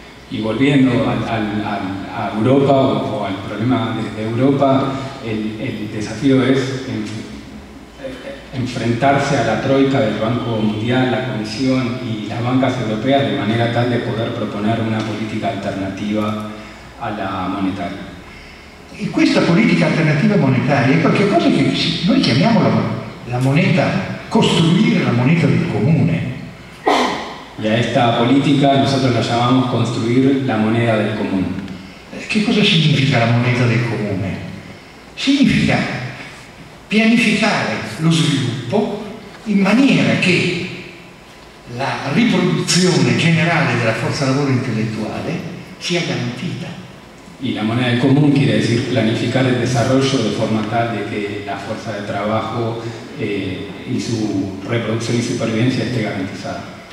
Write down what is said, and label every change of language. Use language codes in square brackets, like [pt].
[es] Y volviendo a Europa o al problema de Europa, el desafío es enfrentarse a la troika del Banco Mundial, la Comisión y las bancas europeas de manera tal de poder proponer una política alternativa a la monetaria. [it] Y questa politica alternativa monetaria è qualcosa che noi chiamiamo la moneta, costruire la moneta del comune. E a questa politica [es] nosotros [it] la chiamiamo costruire la moneta del comune. Che cosa significa la moneta del comune? Significa pianificare lo sviluppo in maniera che la riproduzione generale della forza lavoro intellettuale sia garantita. [es] Y la moneda del común quiere decir planificar el desarrollo de forma tal de que la fuerza de trabajo y su reproducción y supervivencia esté garantizada.